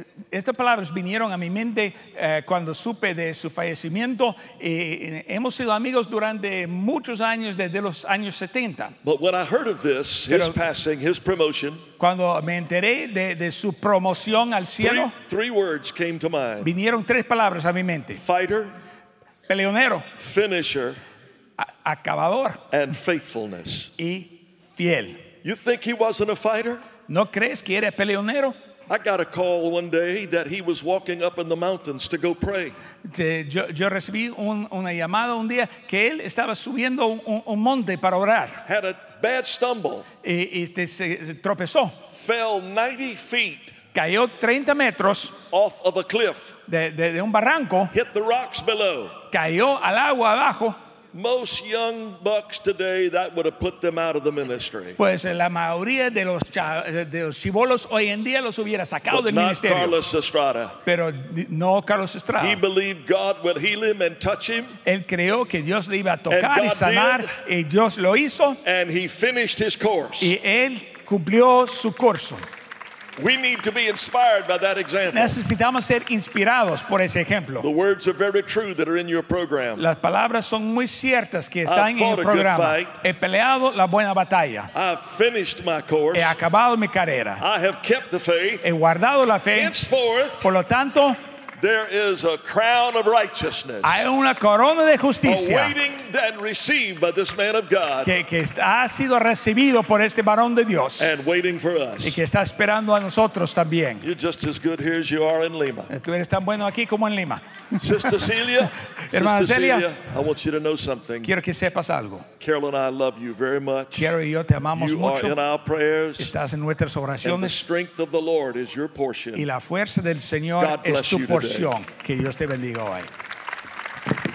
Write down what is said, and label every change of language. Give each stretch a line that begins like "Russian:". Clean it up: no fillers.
Spanish: Estas palabras vinieron a mi mente cuando supe de su fallecimiento. Hemos sido amigos durante muchos años, desde los años 70.
English: But when I heard of this, his passing, his promotion,
Spanish: cuando me enteré de su promoción al cielo,
English: three words came to mind.
Spanish: Vinieron tres palabras a mi mente.
English: Fighter.
Spanish: Peleonero.
English: Finisher.
Spanish: Acabador.
English: And faithfulness.
Spanish: Y fiel.
English: You think he wasn't a fighter?
Spanish: ¿No crees que era peleonero?
English: I got a call one day that he was walking up in the mountains to go pray.
Spanish: Yo recibí una llamada un día que él estaba subiendo un monte para orar.
English: Had a bad stumble.
Spanish: Y se tropezó.
English: Fell 90 feet.
Spanish: Cayó 30 metros.
English: Off of a cliff.
Spanish: De un barranco.
English: Hit the rocks below.
Spanish: Cayó al agua abajo.
English: Most young bucks today, that would have put them out of the ministry.
Spanish: Pues la mayoría de los chibolos hoy en día los hubiera sacado
English: but
Spanish: del ministerio.
English: But not Carlos Estrada.
Spanish: Pero no Carlos Estrada.
English: He believed God would heal him and touch him.
Spanish: Él creyó que Dios le iba a tocar y sanar, y Dios lo hizo.
English: And he finished his course.
Spanish: Y él cumplió su curso.
English: We need to be inspired by that example.
Spanish: Necesitamos ser inspirados por ese ejemplo.
English: The words are very true that are in your program.
Spanish: Las palabras son muy ciertas que están en el programa. He peleado la buena batalla.
English: I've finished my course.
Spanish: He acabado mi carrera.
English: I have kept the faith.
Spanish: He guardado la fe.
English: Henceforth,
Spanish: por lo tanto,
English: there is a crown of righteousness.
Spanish: Hay una corona de justicia.
English: Awaiting and received by this man of God.
Spanish: Que ha sido recibido por este varón de Dios.
English: And waiting for us.
Spanish: Y que está esperando a nosotros también.
English: You're just as good here as you are in Lima.
Spanish: Tú eres tan bueno aquí como en Lima.
English: Sister Celia.
Spanish: Hermana Celia.
English: I want you to know something.
Spanish: Quiero que sepas algo.
English: Carol and I love you very much.
Spanish: Carol y yo te amamos mucho.
English: You are in our prayers.
Spanish: Estás en nuestras oraciones.
English: And the strength of the Lord is your portion.
Spanish: Y la fuerza del Señor es tu portion. Que Dios te bendiga hoy.